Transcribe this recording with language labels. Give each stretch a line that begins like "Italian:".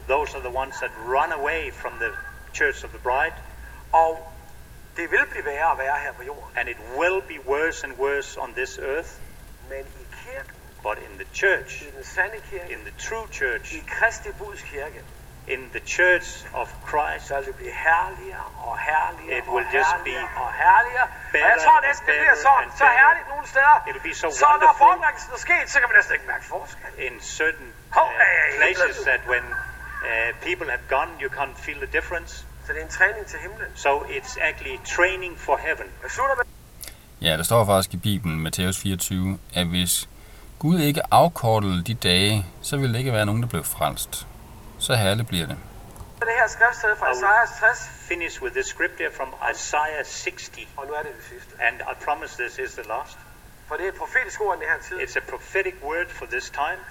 English: Those are the ones that run away from the church of the bride.
Danish: Og det vil blive værre og værre her på jorden.
English: And it will be worse and worse on this earth.
Danish: Men i kirken.
English: But in the church.
Danish: I den sande kirke.
English: In the true church.
Danish: I Kristi Buds kirke.
English: In the church of Christ.
Danish: Så det bliver herligere og herligere.
English: It will just be
Danish: og herligere. Og jeg tror næsten, det bliver så herligt nogle steder.
English: It'll be so
Danish: wonderful. Så når forandringen er sket, så kan man næsten ikke mærke forskel.
English: In certain places that when people have gone, you can't feel the difference.
Danish: Så det er en træning til himlen.
English: So it's actually training for heaven.
Danish: Ja, der står faktisk i Bibelen, Matthæus 24, at hvis Gud ikke afkortede de dage, så ville det ikke være nogen, der blev frelst. Så herligt bliver det. Det her skriftsted fra Isaiah 60.
English: Finish with this scripture from Isaiah 60.
Danish: Og nu er det det sidste.
English: And I promise this is the last.
Danish: For det er et profetisk ord i den her tid.
English: It's a prophetic word for this time.